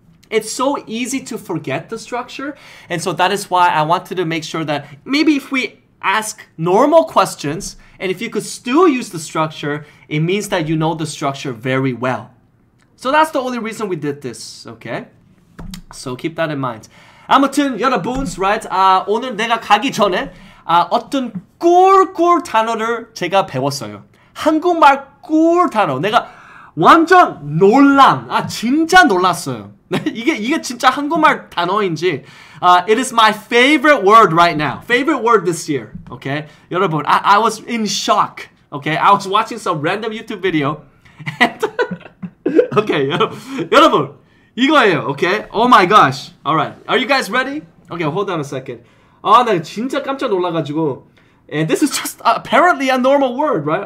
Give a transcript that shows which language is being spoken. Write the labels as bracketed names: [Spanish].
[English] It's so easy to forget the structure. And so that is why I wanted to make sure that maybe if we ask normal questions, and if you could still use the structure, it means that you know the structure very well. So that's the only reason we did this, okay? So keep that in mind. [Korean] 아무튼 여러분, [English] right? [Korean] 오늘 내가 가기 전에 어떤 꿀꿀 단어를 제가 배웠어요. 한국말 꿀 단어. 내가 완전 놀람. 아 진짜 놀랐어요. 이게 진짜 한국말 단어인지. [English] It is my favorite word right now. Favorite word this year, okay? [Korean] 여러분, [English] I was in shock, okay? I was watching some random YouTube video. And okay, [Korean] 여러분. 이거예요, [English] okay? Oh my gosh. Alright, are you guys ready? Okay, hold on a second. [Korean] 아, 나 진짜 깜짝 놀라가지고. [English] And this is just apparently a normal word, right?